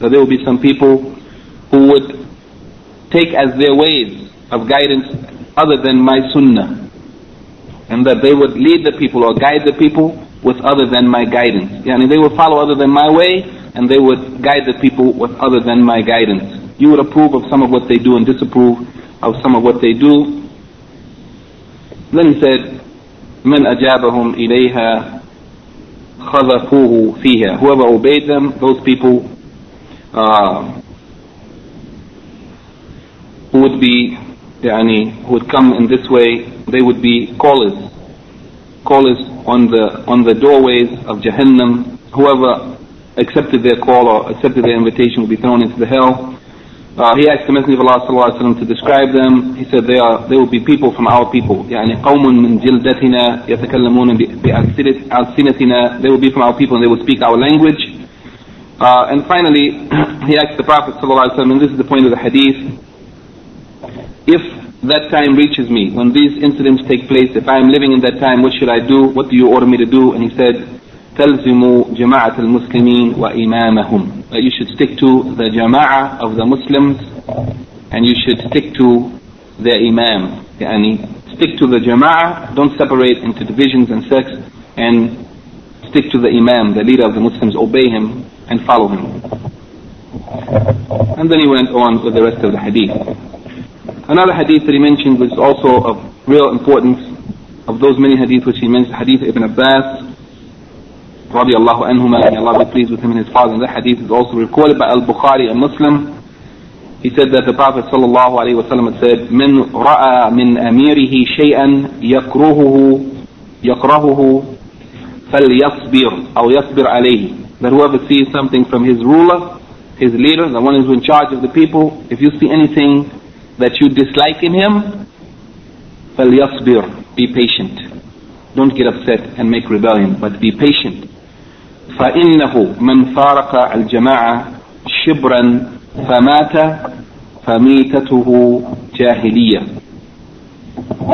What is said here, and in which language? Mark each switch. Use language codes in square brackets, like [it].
[en] So there will be some people who would take as their ways of guidance other than my sunnah, and that they would lead the people or guide the people with other than my guidance. Yani they would follow other than my way, and they would guide the people with other than my guidance. You would approve of some of what they do and disapprove of some of what they do. [ar] Then he said, من أجابهم إليها خذفوه فيها. [en] Whoever obeyed them, those people who would be, يعني, who would come in this way, they would be callers on the doorways of Jahannam. Whoever accepted their call or accepted their invitation would be thrown into the hell. He asked the Messenger of Allah sallallahu alaihi wasallam to describe them. He said they will be people from our people. [ar] يعني قوم من جلدتنا يتكلمون بألسنتنا. [en] They will be from our people and they will speak our language. And finally, he asked the Prophet sallallahu alaihi wasallam, and this is the point of the hadith, if that time reaches me, when these incidents take place, if I am living in that time, what should I do? What do you order me to do? [ar] And he said, تَلْزِمُوا جَمَاعَةَ الْمُسْلِمِينَ وَإِمَامَهُمْ. [en] That you should stick to the jama'ah of the Muslims, and you should stick to their imam. يعني stick to the jama'ah, don't separate into divisions and sects, and stick to the imam, the leader of the Muslims, obey him and follow him. And then he went on with the rest of the hadith. Another hadith that he mentioned, which is also of real importance, of those many hadith which he mentioned, hadith Ibn Abbas, رضي الله عنهما, and Allah be pleased with him and his father. And that hadith is also recorded by Al-Bukhari, a Muslim. [ar] He said that the Prophet صلى الله عليه وسلم said, من رأى من أميره شيئا يكرهه فليصبر أو يصبر عليه. [en] That whoever sees something from his ruler, his leader, the one who's in charge of the people, if you see anything that you dislike in him, فليصبر, be patient. Don't get upset and make rebellion, but be patient. [ar] فَإِنَّهُ مَنْ فَارَقَ الْجَمَاعَةَ شِبْرًا فَمَاتَ فَمِيتَتُهُ جَاهِلِيَّةَ.